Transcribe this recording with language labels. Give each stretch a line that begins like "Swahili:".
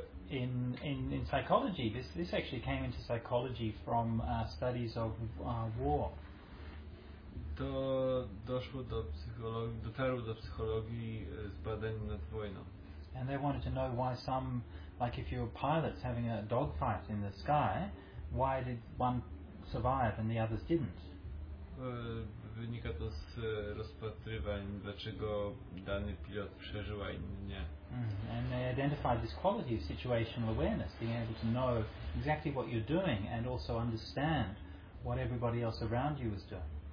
English: In psychology, this actually came into psychology from studies of war.
Polish: To doszło do psychologii, dotarło do psychologii z badań nad wojną.
English: And they wanted to know why some, like if you're a pilot having a dogfight in the sky, why did one survive and the others didn't?
Polish: Wynika to z rozpatrywań, dlaczego dany pilot przeżył, a inny nie.
English: And they identified this quality of situational awareness, being able to know exactly what you're doing and also understand what everybody else around you is doing.